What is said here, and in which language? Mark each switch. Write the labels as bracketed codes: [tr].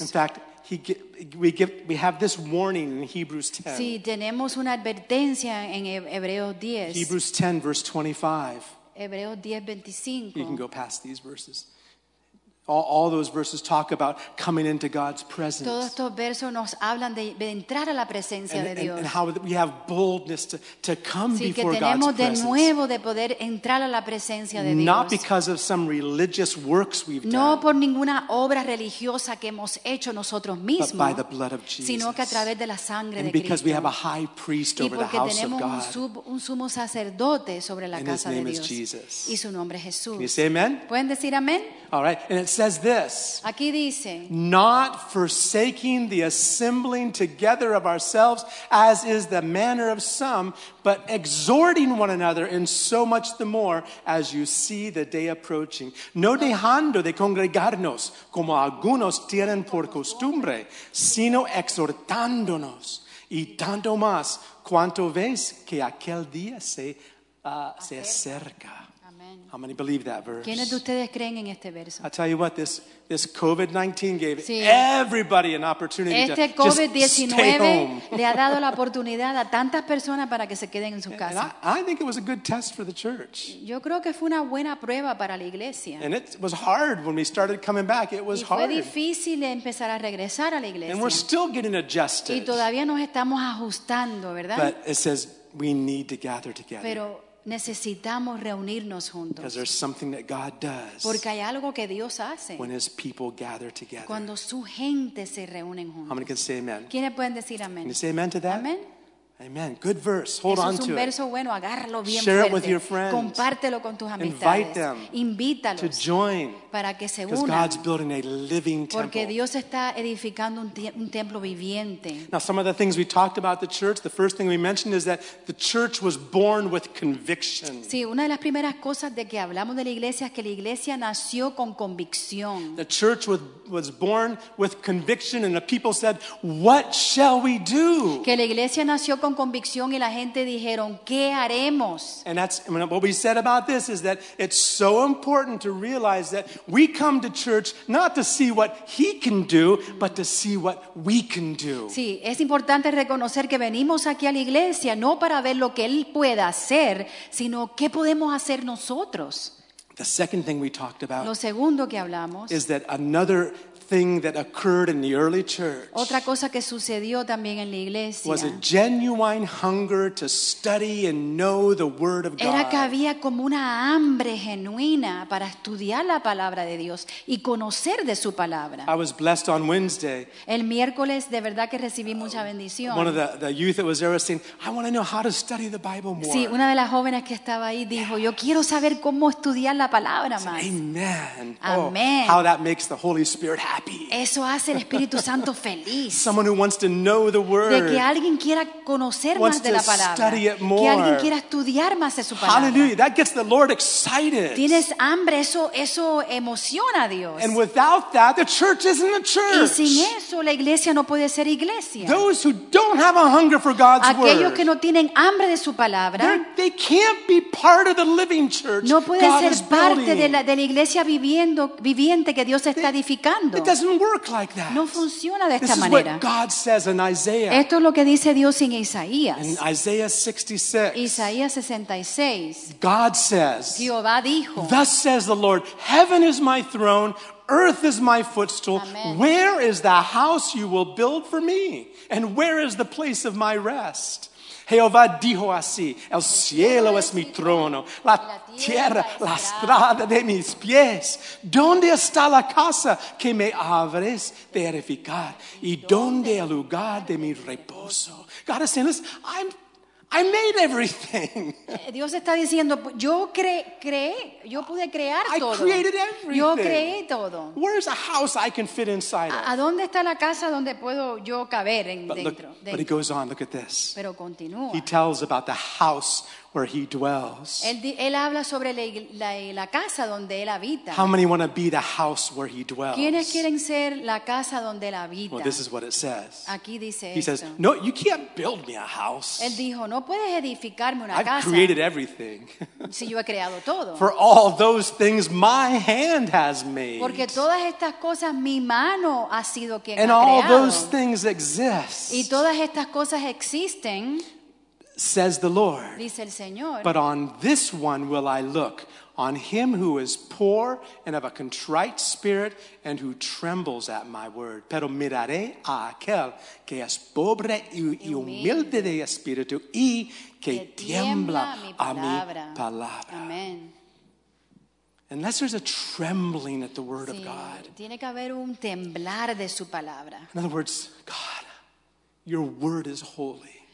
[en] In fact, we have this warning in Hebrews 10. [es] Sí, tenemos una advertencia en Hebreos 10. [en] Hebrews 10, verse 25. [es] Hebreos 10, 25. [en] You can go past these verses. All those verses talk about coming into God's presence. [es] Todos estos versos nos hablan de entrar a la presencia [en] and, [es] de Dios. [en] And how we have boldness to come [es] sí, [en] before [es] que tenemos [en] God's presence. [es] De nuevo de poder entrar a la presencia de Dios. [en] Not because of some religious works we've [es] no [en] done. [es] No por ninguna obra religiosa que hemos hecho nosotros mismos. [en] But by the blood of Jesus. [es] Sino que a través de la sangre [en] and [es] de Cristo. [en] And because we have a high priest over the house of God. [es] Y porque tenemos un sumo sacerdote sobre la [en] and [es] casa de Dios. [en] And his name is Jesus. [es] Y su nombre es Jesús. [en] Can you say amen? [es] ¿Pueden decir amén? [en] All right. And it says this. [es] Aquí dice, [en] not forsaking the assembling together of ourselves as is the manner of some, but exhorting one another and so much the more as you see the day approaching. [es] No dejando de congregarnos como algunos tienen por costumbre, sino exhortándonos y tanto más cuanto veis que aquel día se acerca. [en] How many believe that verse? [es] ¿Quiénes de ustedes creen en este verso? [en] I'll tell you what, this COVID-19 gave [es] sí. [en] everybody an opportunity [es] este [en] to COVID-19 just stay home. [es] Le ha dado la oportunidad a tantas personas para que se queden en sus casas. [en] I think it was a good test for the church. [es] Yo creo que fue una buena prueba para la iglesia. [en] And it was hard when we started coming back. It was [es] y fue [en] hard. [es] Difícil empezar a regresar a la iglesia. [en] And we're still getting adjusted. [es] Y todavía nos estamos ajustando, ¿verdad? [en] But it says we need to gather together. [es] Pero necesitamos reunirnos juntos. [en] Because there's something that God does [es] porque hay algo que Dios hace [en] when his people gather together. [es] Cuando su gente se reúnen juntos. [en] How many can say amen? [es] ¿Quiénes pueden decir amén? [en] Can you say amen to that? Amen. Amen. Good verse. Hold [es] eso [en] on to [es] verso [en] it. [es] Bueno, agárralo bien [en] Share It with your friends. [es] Compártelo con tus [en] Invite [es] amistades. [en] Them [es] invítalos [en] to join [es] para que se unan. [en] God's building a living temple. [es] Porque Dios está edificando un templo viviente. [en] Now some of the things we talked about the church, the first thing we mentioned is that the church was born with conviction. [es] Sí, una de las primeras cosas de que hablamos de la iglesia es que la iglesia nació con convicción. [en] The church was born with conviction and the people said, "What shall we do?" [es] Que la iglesia nació con convicción y la gente dijeron ¿qué haremos? [en] And that's what we said about this is that it's so important to realize that we come to church not to see what he can do but to see what we can do. [es] Sí, es importante reconocer que venimos aquí a la iglesia no para ver lo que él pueda hacer sino qué podemos hacer nosotros. [en] The second thing we talked about [es] lo segundo que hablamos [en] is that another thing that occurred in the early church. [es] Otra cosa que sucedió también en la iglesia. [en] Was a genuine hunger to study and know the word of God. [es] Era que había como una hambre genuina para estudiar la palabra de Dios y conocer de su palabra. [en] I was blessed on Wednesday. [es] El miércoles de verdad que recibí mucha bendición. [en] One of the youth that was there was saying, "I want to know how to study the Bible more." [es] Sí, una de las jóvenes que estaba ahí dijo, "Yo quiero saber cómo estudiar la palabra más." [en] Amen. [es] Amen. [en] Oh, how that makes the Holy Spirit happy. [es] Eso hace el Espíritu Santo feliz. [en] Someone who wants to know the word. [es] De que alguien quiera conocer más de la palabra. [en] Wants to study it more. [es] Que alguien quiera estudiar más de su palabra. [en] Hallelujah. That gets the Lord excited. [es] Tienes hambre, eso emociona a Dios. [en] And without that, the church isn't a church. [es] Y sin eso, la iglesia no puede ser iglesia. [en] Those who don't have a hunger for God's word. [es] Aquellos que no tienen hambre de su palabra. [en] They can't be part of the living church. [es] No pueden ser parte de la iglesia viviente que Dios está edificando. [en] It doesn't work like that. [es] No funciona de [en] this [es] esta [en] is [es] manera. [en] What God says in Isaiah. [es] Esto es lo que dice Dios en Isaías. [en] In Isaiah 66. [es] Isaías 66. [en] God says. [es] Jehová dijo. [en] Thus says the Lord, heaven is my throne, earth is my footstool. Amen. Where is the house you will build for me? And where is the place of my rest? [es] Jehová dijo así, el cielo es mi trono, la tierra, la estrada de mis pies. ¿Dónde está la casa que me habréis de edificar? ¿Y dónde el lugar de mi reposo? [en] God is saying this, I made everything. [es] Dios está diciendo, yo pude crear todo. [en] I created everything. [es] Yo creé todo. [en] Where's a house I can fit inside of? [es] ¿A dónde está la casa donde puedo yo caber en [en] but [es] dentro? [en] But he goes on, look at this. [es] Pero continúa. [en] He tells about the house where he dwells. [es] Él habla sobre la casa donde él habita. [en] How many want to be the house where he dwells? [es] ¿Quiénes quieren ser la casa donde él habita? [en] Well, this is what it says. [es] Aquí dice [en] he [es] esto. [en] Says, no, you can't build me a house. [es] Él dijo, no puedes edificarme una [en] I've [es] casa. [en] I've created everything. [es] Si yo he creado todo. [en] For all those things my hand has made. [es] Porque todas estas cosas mi mano ha sido quien [en] and [es] ha creado. [en] And all those things exist. [es] Y todas estas cosas existen. [en] Says the Lord. [es] Dice el Señor. [en] But on this one will I look, on him who is poor and of a contrite spirit and who trembles at my word. [es] Pero miraré a aquel que es pobre y humilde de espíritu y que tiembla a mi palabra. [en] Amen. Unless there's a trembling at the word of God. [es] Tiene que haber un temblar de su palabra. [en] In other words, God, your word is holy.